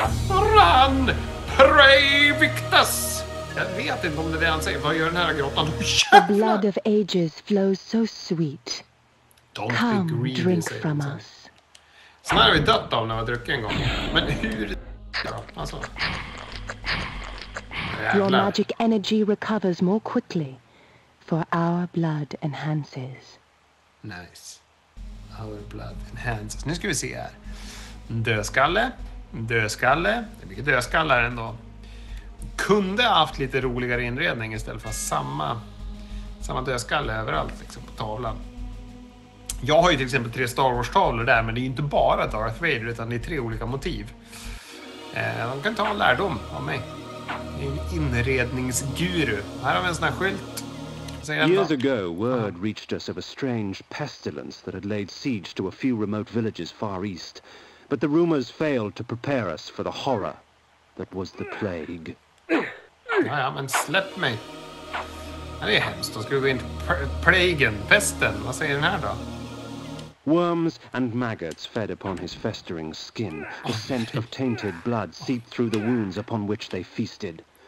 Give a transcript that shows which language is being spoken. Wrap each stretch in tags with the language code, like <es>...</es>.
<sv>Run! Pray Victus! Jag vet inte om det är det han säger. Vad gör den här grottan?</sv> <en>The blood of ages flows so sweet. Don't come, be greedy, drink from us.</en> <sv>Sen har vi dött av när vi druckit en gång. Men hur... Alltså...</sv> <en>Jävlar. Your magic energy recovers more quickly, for our blood enhances.</en> <sv>Nice. Our blood enhances. Nu ska vi se här. Dödskalle. Det är mycket dödskallar ändå. Kunde ha haft lite roligare inredning istället för samma dödskalle överallt liksom på tavlan. Jag har ju till exempel 3 Star Wars-tavlor där, men det är ju inte bara Darth Vader, utan det är 3 olika motiv. De kan ta en lärdom av mig. Inredningsguru. Här har vi en sån här skylt.</sv> <en>Years ago, word reached us of a strange pestilence that had laid siege to a few remote villages far east. But the rumors failed to prepare us for the horror that was the plague.</en> <sv>Ja, men släpp mig. Det är hemskt. Då ska vi gå in till plagen, pesten. Vad säger den här då?</sv> <en>Worms and maggots fed upon his festering skin. The scent of tainted blood seeped through the wounds upon which they feasted.</en>